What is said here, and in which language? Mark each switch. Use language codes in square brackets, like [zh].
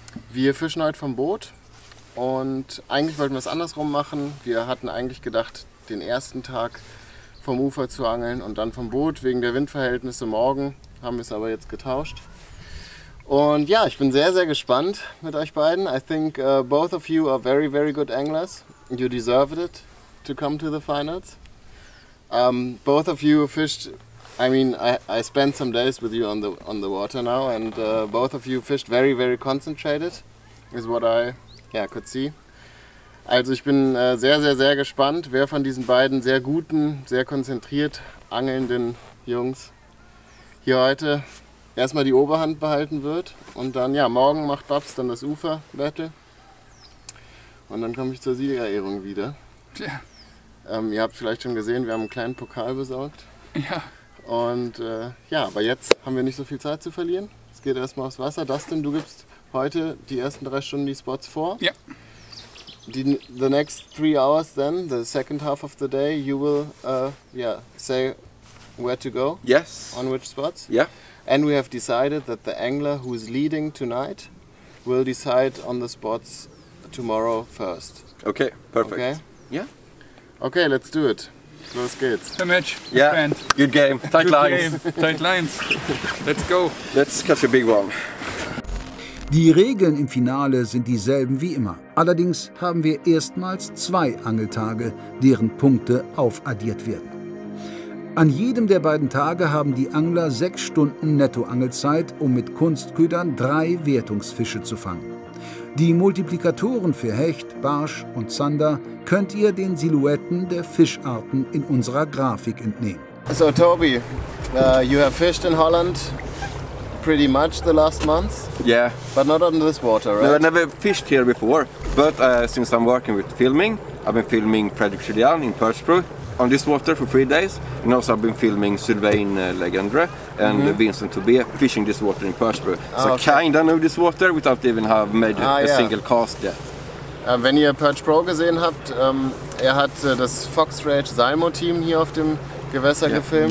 [de] Wir fischen heute vom Boot und eigentlich wollten wir es andersrum machen. Wir hatten eigentlich gedacht, den ersten Tag vom Ufer zu angeln und dann vom Boot. Wegen der Windverhältnisse morgen haben wir es aber jetzt getauscht. Und ja, ich bin sehr, sehr gespannt mit euch beiden. [en] I think both of you are very, very good anglers. You deserved it to come to the finals. Both of you fished, I mean, I spent some days with you on the water now, and both of you fished very, very concentrated, is what I could see. [de] Also ich bin sehr, sehr, sehr gespannt, wer von diesen beiden sehr guten, sehr konzentriert angelnden Jungs hier heute erstmal die Oberhand behalten wird und dann, ja, morgen macht Babs dann das Uferbattle und dann komme ich zur Siegerehrung wieder. Tja. Ihr habt vielleicht schon gesehen, wir haben einen kleinen Pokal besorgt. Ja. Und aber jetzt haben wir nicht so viel Zeit zu verlieren. Es geht erstmal aufs Wasser. Dustin, du gibst heute die ersten 3 Stunden die Spots vor. Ja. [en] The next 3 hours then, the second half of the day, you will say where to go. Yes. On which spots. Yeah. And we have decided that the angler who is leading tonight will decide on the spots tomorrow first. Okay, perfect. Okay? Yeah. Okay, let's do it. [de] Los geht's. [en] Good match. Yeah. Friend. Good game. Tight good lines. Game. Tight lines. Let's go. Let's catch a big one. [de] Die Regeln im Finale sind dieselben wie immer. Allerdings haben wir erstmals 2 Angeltage, deren Punkte aufaddiert werden. An jedem der beiden Tage haben die Angler 6 Stunden Nettoangelzeit, um mit Kunstködern 3 Wertungsfische zu fangen. Die Multiplikatoren für Hecht, Barsch und Zander könnt ihr den Silhouetten der Fischarten in unserer Grafik entnehmen. [en] So, Toby, you have fished in Holland pretty much the last month. Yeah. But not on this water, right? No, I never fished here before. But since I'm working with filming, I've been filming Fredrik Julian in Persbro on this water for 3 days, and also I've been filming Sylvain Legendre and Vincent Tobé fishing this water in Persbro. So okay. I kind of know this water without even having made a single cast yet. [de] Wenn ihr Persbro gesehen habt, hat das Fox Rage Salmo Team hier auf dem Gewässer gefilmt.